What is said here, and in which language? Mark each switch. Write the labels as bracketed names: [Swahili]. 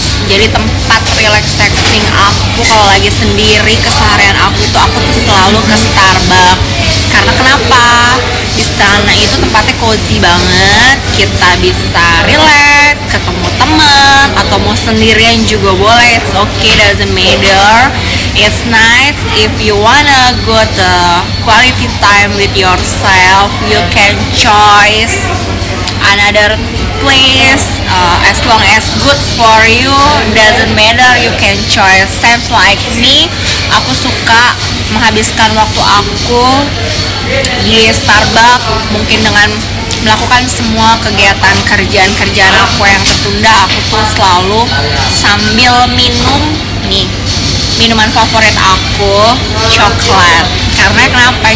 [Indonesian] Jadi tempat relaxing aku kalau lagi sendiri, keseharian aku tuh selalu ke Starbucks. Karena kenapa? Di sana itu tempatnya cozy banget, kita bisa relax, ketemu teman, atau mau sendirian juga boleh. [English] It's okay, doesn't matter. It's nice if you wanna go to quality time with yourself, you can choose another place, as long as good for you, doesn't matter, you can choose. Same like me, [Indonesian] aku suka menghabiskan waktu aku di Starbucks, mungkin dengan melakukan semua kegiatan kerjaan-kerjaan aku yang tertunda, aku tuh selalu sambil minum nih minuman favorit aku, coklat. Karena kenapa?